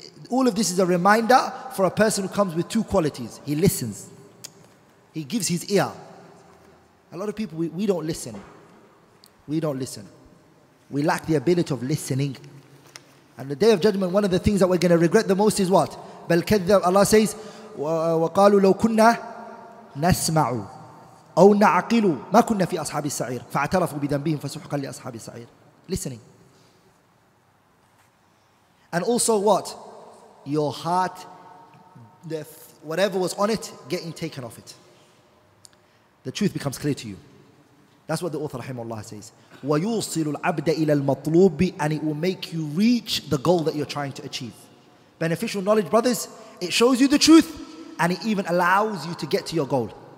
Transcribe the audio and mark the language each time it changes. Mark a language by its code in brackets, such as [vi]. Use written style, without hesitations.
[en] All of this is a reminder for a person who comes with two qualities. He listens. He gives his ear. A lot of people, we don't listen. We don't listen. We lack the ability of listening. And the Day of Judgment, one of the things that we're going to regret the most is what? [ar] بَلْ كَذَّبَ. [en] Allah says, [ar] وَقَالُوا لَوْ كُنَّا نَسْمَعُ أَوْ نَعَقِلُ مَا كُنَّا فِي أَصْحَابِ السَّعِيرِ فَاعْتَرَفُوا بِذَنْبِهِمْ فَسُحْقًا لِأَصْحَابِ السَّعِيرِ. [en] Listening. And also what? Your heart, whatever was on it, getting taken off it. The truth becomes clear to you. That's what the author, rahimahullah, says. [ar] وَيُوصِلُ الْعَبْدَ إِلَى الْمَطْلُوبِ. [en] And it will make you reach the goal that you're trying to achieve. Beneficial knowledge, brothers, it shows you the truth, and it even allows you to get to your goal.